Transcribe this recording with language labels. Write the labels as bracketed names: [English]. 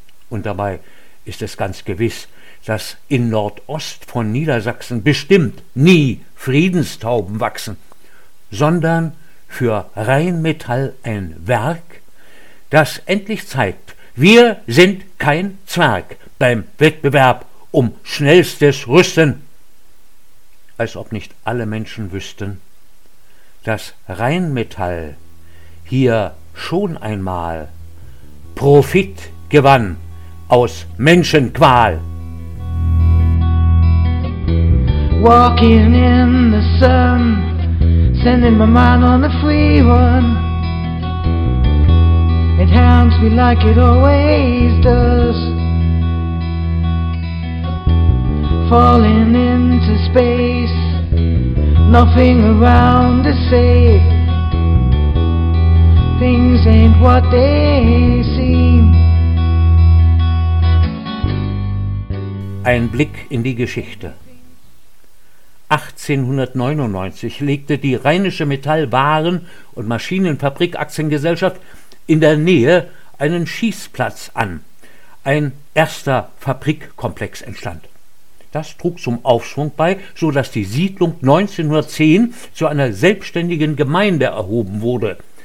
[German] Und dabei ist es ganz gewiss, dass in Nordost von Niedersachsen bestimmt nie Friedenstauben wachsen, sondern für Rheinmetall ein Werk, das endlich zeigt: Wir sind kein Zwerg beim Wettbewerb um schnellstes Rüsten. Als ob nicht alle Menschen wüssten, dass Rheinmetall hier schon einmal Profit gewann aus Menschenqual. [English] Walking in the sun, sending my mind on a free one. It hounds me like it always does. Falling into space, nothing around to say. Things ain't what they seem. [German] Ein Blick in die Geschichte. 1899 legte die Rheinische Metallwaren- und Maschinenfabrik-Aktiengesellschaft in der Nähe einen Schießplatz an. Ein erster Fabrikkomplex entstand. Das trug zum Aufschwung bei, so dass die Siedlung 1910 zu einer selbstständigen Gemeinde erhoben wurde.